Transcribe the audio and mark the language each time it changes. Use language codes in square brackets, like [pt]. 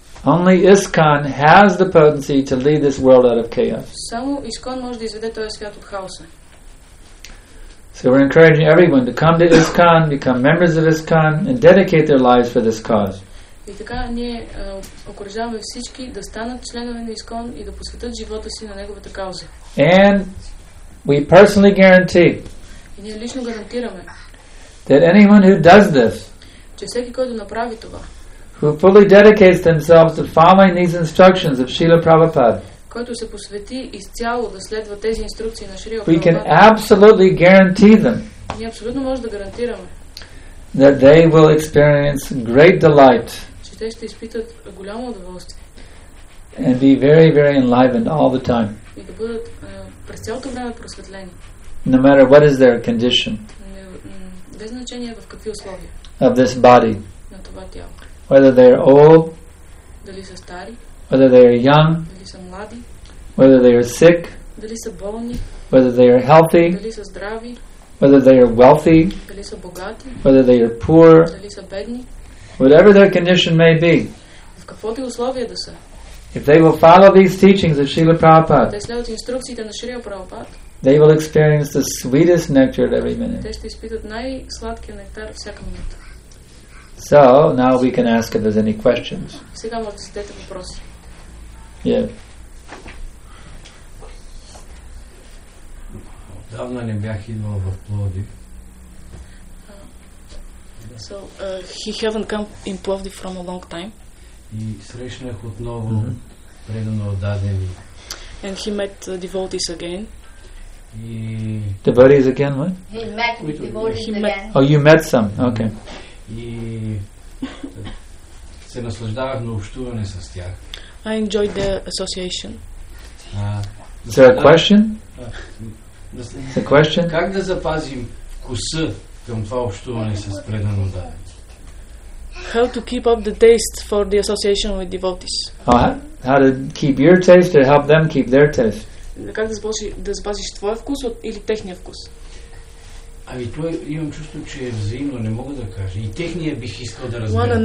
[en] Only ISKCON has the potency to lead this world out of chaos. [bg] Само ISKCON може да изведе този свят от хаоса. [en] So we're encouraging everyone to come to ISKCON, become members of ISKCON, and dedicate their lives for this cause. [bg] И така ние окуражаваме всички да станат членове на ИСКОН и да посветят живота си на неговата кауза. [en] And we personally guarantee. [bg] И ние лично гарантираме. [en] That anyone who does this. [bg] Че всеки, който направи това. [en] Who fully dedicates themselves to following these instructions of Srila Prabhupada. [bg] Който се посвети изцяло да следва тези инструкции на Шрила [en] Прабхупада. We can absolutely guarantee them. [bg] Ние абсолютно може да гарантираме. [en] That they will experience great delight. [bg] Че те ще изпитат голямо удоволствие. [en] And be very, very enlivened all the time. [bg] И да бъдат през цялото време просветлени. [en] No matter what is their condition. [bg] Без значение в какви условия. [en] Of this body. [bg] На това тяло. [en] Whether they are old. [bg] Дали са стари. [en] Whether they are young. [bg] Дали са млади. [en] Whether they are sick. [bg] Дали са болни. [en] Whether they are healthy. [bg] Дали са здрави. [en] Whether they are wealthy, [bg] дали са богати, [en] whether they are poor, [bg] дали са бедни, [en] whatever their condition may be, [bg] в каквото условие да са, [en] if they will follow these teachings of Srila Prabhupada, [bg] те следват инструкциите на Шрила Прабхупад, [en] they will experience the sweetest nectar at every minute. [bg] Те ще изпитат най-сладкия нектар всяка минута. [en] So, now we can ask if there's any questions. [bg] Сега може да зададете въпроси. [en] Yeah. [bg] Давно не бях идвал в Пловдив. [en] So, he haven't come in Plovdiv from a long time. [bg] И срещнах отново предано отдадени. [en] And he met devotees again. [bg] И [en] devotees again, what? He met with devotees again. Oh, you met some. Okay. [bg] И се наслаждавах на общуване с тях. [en] I enjoyed the association. Is there a question? The question? [bg] Как да запазим вкуса към това общуване с предано даден? [en] How to keep up the taste for the association with devotees? How to keep your taste or help them keep their taste? [bg] Как да запазиш твоя вкус или техния вкус? Ами то имам чувство, че е взаимно, не мога да кажа. И техния бих искал да разбера.